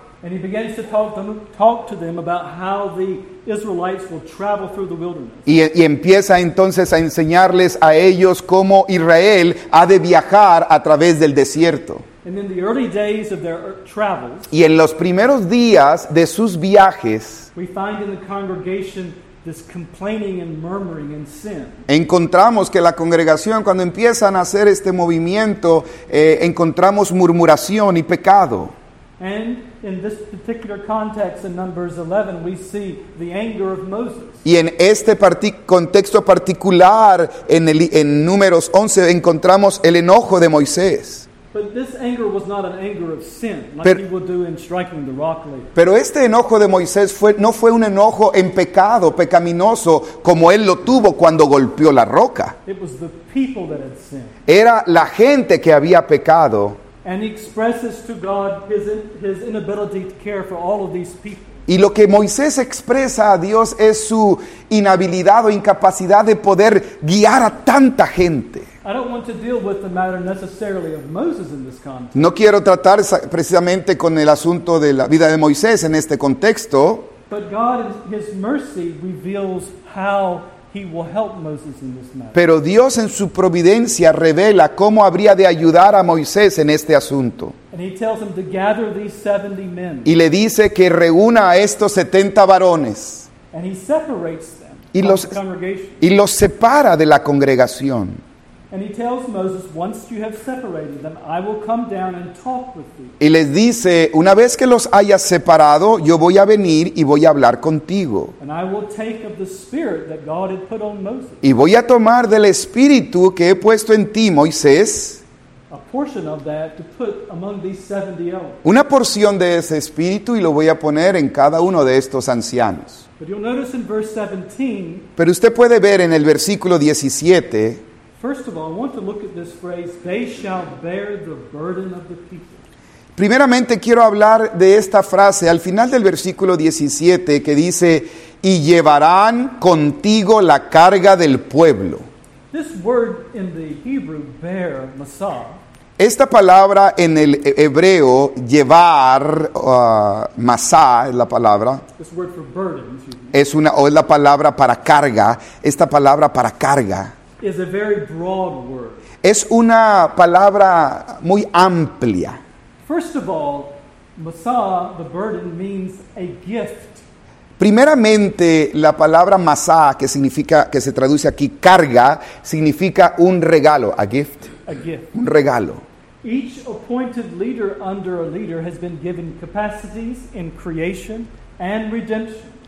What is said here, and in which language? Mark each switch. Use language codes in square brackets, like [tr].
[en] And he begins to talk to them about how the Israelites will travel through the wilderness. [es] Y empieza entonces a enseñarles a ellos cómo Israel ha de viajar a través del desierto. [en] And in the early days of their travels, [es] y en los primeros días de sus viajes, [en] we find in the congregation this complaining and murmuring and sin. [es] Encontramos que la congregación, cuando empiezan a hacer este movimiento, encontramos murmuración y pecado. [en] And in this particular context in Numbers 11, we see the anger of Moses. [es] Y en este contexto particular, en Números 11, encontramos el enojo de Moisés. [en] But this anger was not an anger of sin, he will do in striking the rock later. [es] Pero este enojo de Moisés no fue un enojo en pecado, pecaminoso, como él lo tuvo cuando golpeó la roca. [en] It was the people that had sinned. [es] Era la gente que había pecado. [en] And he expresses to God his inability to care for all of these people. [es] Y lo que Moisés expresa a Dios es su inhabilidad o incapacidad de poder guiar a tanta gente. [en] I don't want to deal with the matter necessarily of Moses in this context. [es] No quiero tratar precisamente con el asunto de la vida de Moisés en este contexto. [en] But God, his mercy reveals how he will help Moses in this matter. [es] Pero Dios en su providencia revela cómo habría de ayudar a Moisés en este asunto. [en] And he tells him to gather these 70 men. [es] Y le dice que reúna a estos 70 varones. [en] And he separates them from the congregation. [es] Y los separa de la congregación. [en] And he tells Moses, once you have separated them, I will come down and talk with you. [es] Y les dice, una vez que los hayas separado, yo voy a venir y voy a hablar contigo. [en] And I will take of the spirit that God had put on Moses. [es] Y voy a tomar del espíritu que he puesto en ti, Moisés. [en] A portion of that to put among these 70 elders. [es] Una porción de ese espíritu y lo voy a poner en cada uno de estos ancianos. [en] But you'll notice in verse 17. [es] Pero usted puede ver en el versículo 17. [en] First of all, I want to look at this phrase, they shall bear the burden of the people. [es] Primeramente quiero hablar de esta frase al final del versículo 17 que dice, y llevarán contigo la carga del pueblo. [en] This word in the Hebrew, bear, masah. [es] Esta palabra en el hebreo, llevar, masá, es la palabra. [en] This word for burden, [es] es una, o es la palabra para carga. Esta palabra para carga [en] is a very broad word. [es] Es una palabra muy amplia. [en] First of all, masá, the burden, means a gift. [es] Primeramente, la palabra masá, que significa, que se traduce aquí carga, significa un regalo, [en] a gift. A gift. [es] Un regalo. [en] Each appointed leader under a leader has been given capacities in creation and redemption.